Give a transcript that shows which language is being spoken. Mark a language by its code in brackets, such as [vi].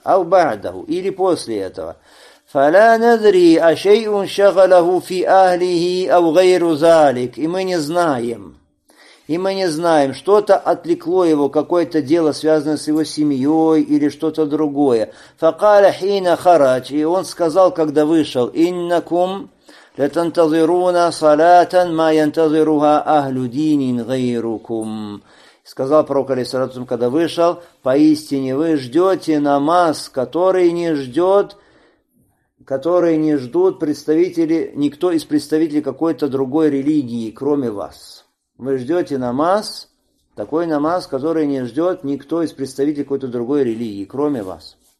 [ar] Ау ба'даху, [ru] или после этого. [ar] فَلَا نَذْرِي أَشَيْءٌ شَغَلَهُ فِي أَهْلِهِ أَوْ غَيْرُ ذَلِكَ. [ru] И мы не знаем. И мы не знаем, что-то отвлекло его, какое-то дело, связанное с его семьей или что-то другое. [ar] فَقَالَ حِينَ خَرَجَ. [ru] И он сказал, когда вышел, [ar] إِنَّكُمْ لَتَنْتَظِرُونَ صَلَاةً مَا يَنْتَظِرُهَا أَهْلُ دِينٍ غَيْرُكُمْ. [ru] Сказал пророк, алейхиссалям, когда вышел, поистине вы ждете намаз, который не ждет, которые не ждут представители, никто из представителей какой-то другой религии, кроме вас. Вы ждете намаз, такой намаз, который не ждет никто из представителей какой-то другой религии, кроме вас.